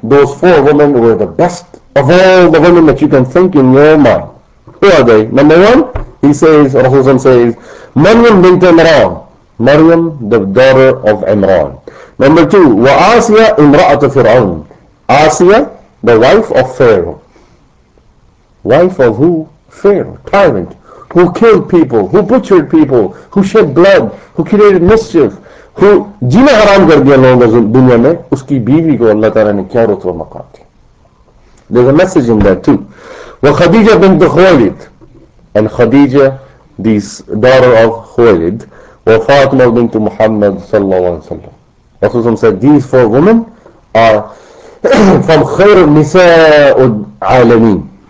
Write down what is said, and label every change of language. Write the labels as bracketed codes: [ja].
[en] Those four women were the best of all the women that you can think in your mind. Who are they? Number one, he says, Rasulullah says, Maryam bint Imran. Maryam, the daughter of Imran. Number two, [ar] Wa Asiya imra'at Fir'aun. [en] Asiya, the wife of Pharaoh. Wife of who? Pharaoh, tyrant, who killed people, who butchered people, who shed blood, who created mischief, who [ur] جینا حرام کر دیا لوگوں نے دنیا میں، اس کی بیوی کو اللہ تعالیٰ نے کیا رتبہ مقام دیا۔ [en] There's a message in that too. Wa Khadija bint Khuwailid, and Khadija, this daughter of Khuwailid, wa Fatima bint Muhammad sallallahu alaihi wasallam. Rasulullah said these four women are from [ar] khair nisa'ul alamin.